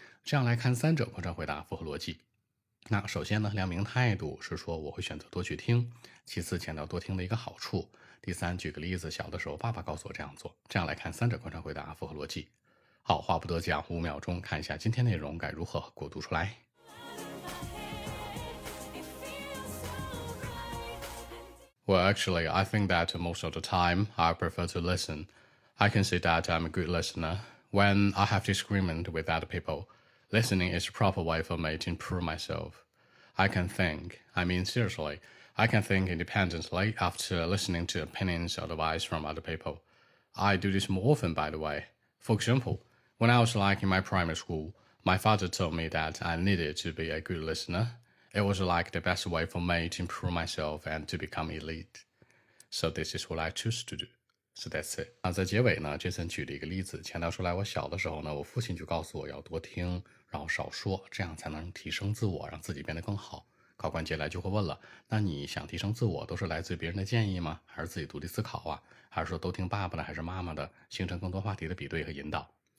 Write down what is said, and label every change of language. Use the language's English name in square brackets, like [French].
[Chinese] 这样来看，三者贯穿回答符合逻辑。那首先呢，亮明态度是说我会选择多去听，其次强调多听的一个好处。第三，举个例子，小的时候爸爸告诉我这样做，这样来看三者贯穿回答符合逻辑。好，话不多讲，5秒钟看一下今天内容该如何过渡出来。 [English] Well, actually, I think that most of the time I prefer to listen. I can say that I'm a good listener. When I have disagreement with other people, listening is a proper way for me to improve myself. I can think, I mean seriously,I can think independently after listening to opinions or advice from other people. I do this more often, by the way. For example, when I was like in my primary school, my father told me that I needed to be a good listener. It was like the best way for me to improve myself and to become elite. So this is what I choose to do. So that's it. [Chinese] 那在结尾呢，杰森举了一个例子，强调出来我小的时候呢，我父亲就告诉我要多听，然后少说，这样才能提升自我，让自己变得更好。考官接下来就会问了，那你想提升自我都是来自别人的建议吗？还是自己独立思考啊？还是说都听爸爸的还是妈妈的，形成更多话题的比对和引导。